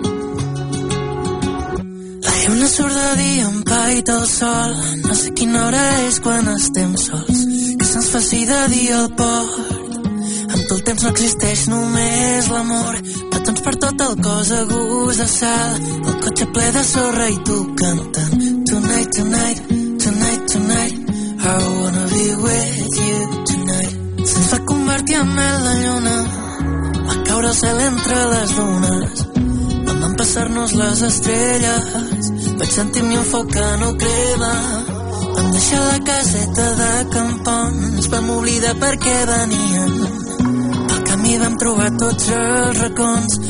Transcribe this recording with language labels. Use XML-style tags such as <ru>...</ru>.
<ca>La lluna surt de dia amb pai del sol. No sé quina hora és quan estem sols. Que se'ns faci de dia el port. Amb tu el temps no existeix, només l'amor. Petons per tot el cos a gust de sal. El cotxe ple de sorra i tu cantant.</ca> <en>Tonight, tonight, tonight, tonight, I wanna be with you tonight.</en> <ca>Se'ns va convertir en mel la lluna. Va caure el cel entre les dunes. Mamà, em passar-nos les estrelles. Vaig sentir-me un foc que no crema. Vam deixar la caseta de campons. Vam oblidar per què venien. Pel camí vam trobar tots els racons.</ca>